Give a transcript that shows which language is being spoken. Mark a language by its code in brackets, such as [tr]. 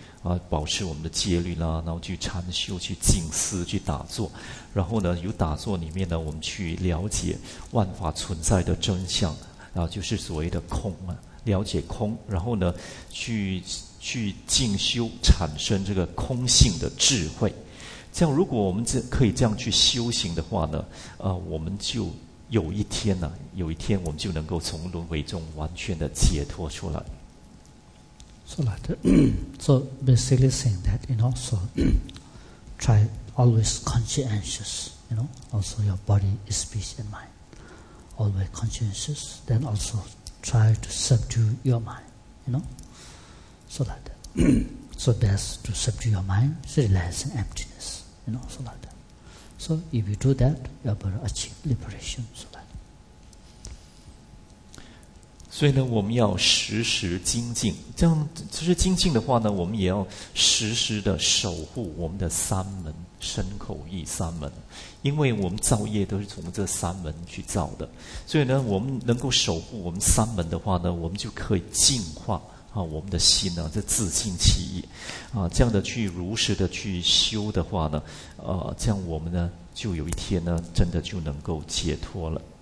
[zh] 啊，保持我们的戒律啦，然后去禅修、去静思、去打坐，然后呢，有打坐里面呢，我们去了解万法存在的真相，啊，就是所谓的空啊，了解空，然后呢，去静修，产生这个空性的智慧。这样，如果我们可以这样去修行的话呢，我们就有一天呢、啊，有一天我们就能够从轮回中完全的解脱出来。 [en] So basically saying that, you know, so try always conscientious, you know, also your body, speech and mind, always conscientious, then also try to subdue your mind, you know, so like that. So best to subdue your mind, so realizing emptiness, you know, so like that. So if you do that, you're able to achieve liberation, so like that. [zh] 所以呢，我们要时时精进，这样就是精进的话呢，我们也要时时的守护我们的三门，身口意三门，因为我们造业都是从这三门去造的，所以呢，我们能够守护我们三门的话呢，我们就可以净化啊我们的心呢、啊，这自净其意啊，这样的去如实的去修的话呢，这样我们呢就有一天呢，真的就能够解脱了。